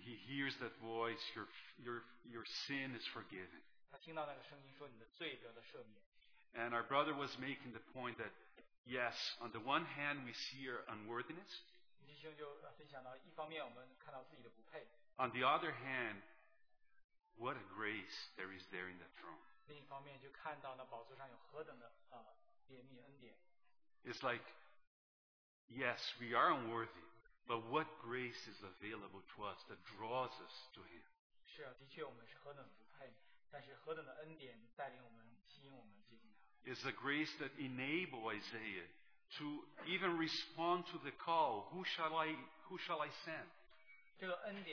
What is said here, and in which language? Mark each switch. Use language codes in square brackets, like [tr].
[en] he hears that voice, your sin is forgiven. [zh] 他听到那个声音说，你的罪得了赦免。 [en] And our brother was making the point that, yes, on the one hand, we see our unworthiness. [zh] 弟兄就分享到，一方面我们看到自己的不配。 [en] On the other hand, what a grace there is there in that throne. [zh] 另一方面就看到那宝座上有何等的怜悯恩典。 [en] It's like, yes, we are unworthy, but what grace is available to us that draws us to Him? [zh] 是啊，的确我们是何等不配，但是何等的恩典带领我们，吸引我们接近。 [en] Is the grace that enable Isaiah to even respond to the call, who shall I send?